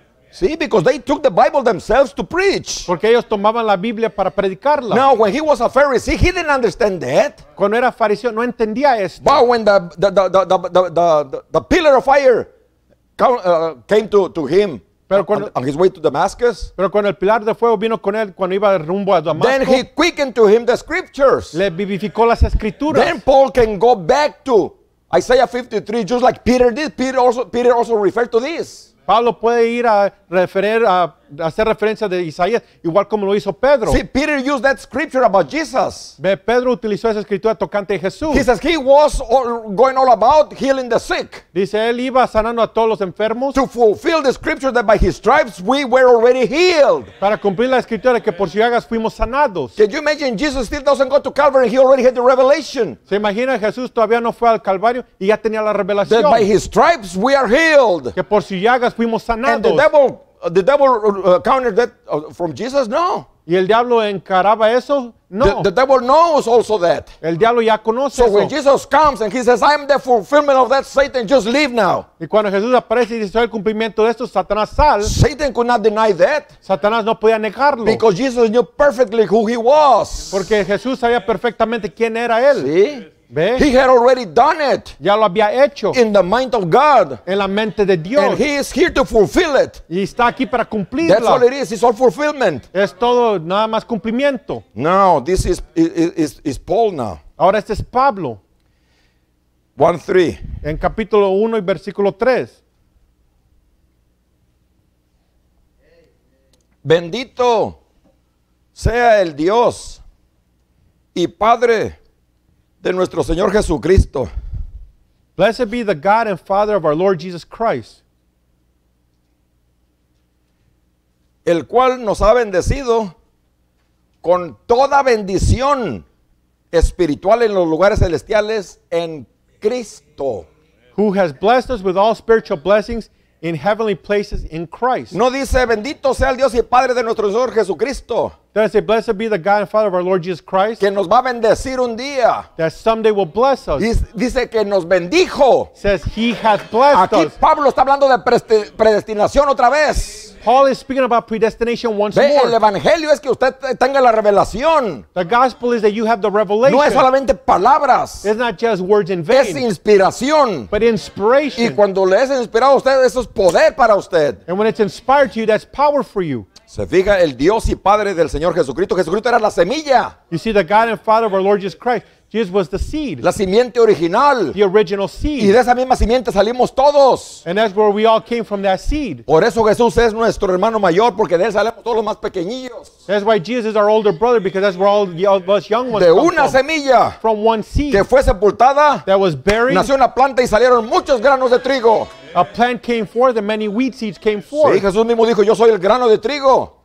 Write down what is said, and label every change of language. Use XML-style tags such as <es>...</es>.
<en>See, because they took the Bible themselves to preach.</en> <es>Porque ellos tomaban la Biblia para predicarla.</es> <en>Now, when he was a Pharisee, he didn't understand that.</en> <es>Cuando era fariseo, no entendía esto.</es> <en>But when the pillar of fire came to him.</en> <es>Pero cuando,</es> <en>on his way to Damascus.</en> <es>Pero cuando el pilar de fuego vino con él cuando iba rumbo a Damasco.</es> <en>Then he quickened to him the scriptures.</en> <es>Le vivificó las escrituras.</es> <en>Then Paul can go back to Isaiah 53 just like Peter did. Peter also referred to this.</en> <es>Pablo puede ir a referir a hacer referencia de Isaías igual como lo hizo Pedro.</es> <en>See, Peter used that scripture about Jesus.</en> <es>Ve, Pedro utilizó esa escritura tocante a Jesús.</es> <en>He says he was going all about healing the sick.</en> <es>Dice él iba sanando a todos los enfermos.</es> <en>To fulfill the scripture that by his stripes we were already healed.</en> <es>Para cumplir la escritura de que por sus llagas fuimos sanados.</es> <en>Can you imagine Jesus still doesn't go to Calvary and he already had the revelation?</en> <es>Se imagina Jesús todavía no fue al Calvario y ya tenía la revelación.</es> <en>That by his stripes we are healed.</en> <es>Que por sus llagas fuimos sanados.</es> <en>And the devil countered that from Jesus? No.</en> <es>¿Y el diablo encaraba eso? No.</es> <en>The devil knows also that.</en> <es>El diablo ya conoce</es> <en>so</en> <es>eso.</es> <en>So when Jesus comes and he says, I am the fulfillment of that, Satan, just leave now.</en> <es>Y cuando Jesús aparece y dice, soy el cumplimiento de esto, Satanás sal.</es> <en>Satan could not deny that.</en> <es>Satanás no podía negarlo.</es> <en>Because Jesus knew perfectly who he was.</en> <es>Porque Jesús sabía perfectamente quién era él. Sí. ¿Ve?</es> <en>He had already done it.</en> <es>Ya lo había hecho.</es> <en>In the mind of God.</en> <es>En la mente de Dios.</es> <en>And he is here to fulfill it.</en> <es>Y está aquí para cumplirlo.</es> <en>That's all it is. It's all fulfillment.</en> <es>Es todo nada más cumplimiento.</es> <en>Now this is Paul now.</en> <es>Ahora este es Pablo.</es> <en>1:3.</en> <es>En capítulo 1 y versículo 3. Bendito sea el Dios y Padre de nuestro Señor Jesucristo.</es> <en>Blessed be the God and Father of our Lord Jesus Christ.</en> <es>El cual nos ha bendecido con toda bendición espiritual en los lugares celestiales en Cristo.</es> <en>Who has blessed us with all spiritual blessings In heavenly places in Christ.</en> <es>No dice bendito sea el Dios y Padre de nuestro Señor Jesucristo.</es> <en>Doesn't say blessed be the God and Father of our Lord Jesus Christ.</en> <es>Que nos va a bendecir un día.</es> <en>That someday will bless us.</en> <es>Dice que nos bendijo.</es> <en>Says he hath blessed</en> <es>aquí</es> <en>us.</en> <es>Aquí Pablo está hablando de predestinación otra vez.</es> <en>Paul is speaking about predestination once more.</en> <es>El evangelio es que usted tenga la revelación.</es> <en>The gospel is that you have the revelation.</en> <es>No es solamente palabras.</es> <en>It's not just words in vain.</en> <es>Es inspiración.</es> <en>But inspiration.</en> <es>Y cuando le es inspirado a usted, eso es poder para usted.</es> <en>And when it's inspired to you, that's power for you.</en> <es>Se fija el Dios y Padre del Señor Jesucristo. Jesucristo era la semilla.</es> <en>You see the God and Father of our Lord Jesus Christ. Jesus was the seed.</en> <es>La simiente original.</es> <en>The original seed.</en> <es>Y de esa misma simiente salimos todos.</es> <en>And that's where we all came from, that seed.</en> <es>Por eso Jesús es nuestro hermano mayor, porque de él salimos todos los más pequeñillos.</es> <en>That's why Jesus is our older brother, because that's where all the us young ones</en> <es>de</es> <en>come</en> <es>una</es> <en>from.</en> <es>Semilla.</es> <en>From one seed.</en> <es>Que fue sepultada.</es> <en>That was buried.</en> <es>Nació una planta y salieron muchos granos de trigo.</es> <en>A plant came forth and many wheat seeds came forth.</en> <es>Sí, Jesús mismo dijo, yo soy el grano de trigo.</es>